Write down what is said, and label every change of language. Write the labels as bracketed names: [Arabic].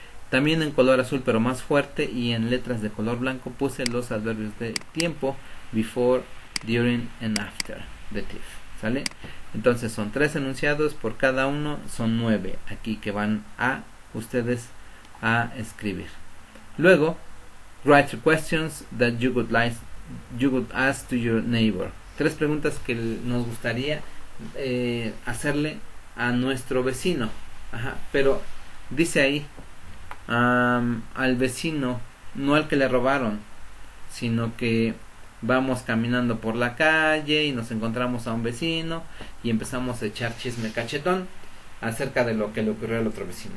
[Spanish] También en color azul, pero más fuerte, y en letras de color blanco puse los adverbios de tiempo, before, during and after the thief, ¿sale? Entonces son 3 enunciados por cada uno, son 9 aquí que van a ustedes a escribir. Luego, [English] write three questions that you would ask to your neighbor. [Spanish] 3 preguntas que nos gustaría hacerle a nuestro vecino. Ajá, pero dice ahí al vecino, no al que le robaron, sino que vamos caminando por la calle y nos encontramos a un vecino y empezamos a echar chisme cachetón acerca de lo que le ocurrió al otro vecino.